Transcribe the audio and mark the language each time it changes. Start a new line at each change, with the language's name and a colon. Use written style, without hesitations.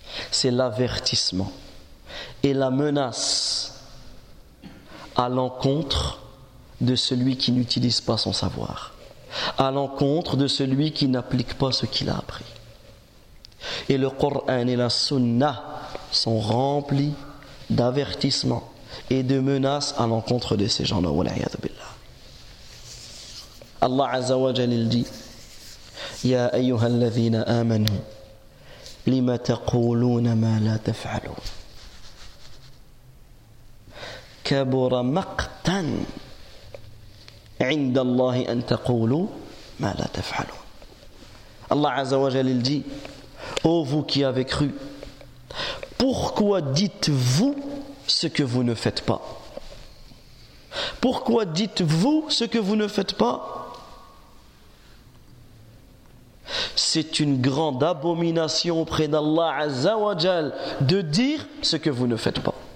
French: C'est l'avertissement et la menace à l'encontre de celui qui n'utilise pas son savoir, à l'encontre de celui qui n'applique pas ce qu'il a appris. Et le Coran et la Sunna sont remplis d'avertissements et de menaces à l'encontre de ces gens-là.
Arabic: Wal a'yadu billah. Allah Azza wa Jalla dit: يا أيها الذين آمنوا لما تقولون ما لا تفعلون كبر مقتا عند الله أن تقولوا ما لا تفعلون.
French: الله عز وجل dit: ô vous qui avez cru, pourquoi dites-vous ce que vous ne faites pas? Pourquoi dites-vous ce que vous ne faites pas? C'est une grande abomination auprès d'Allah Azza wa Jal de dire ce que vous ne faites pas.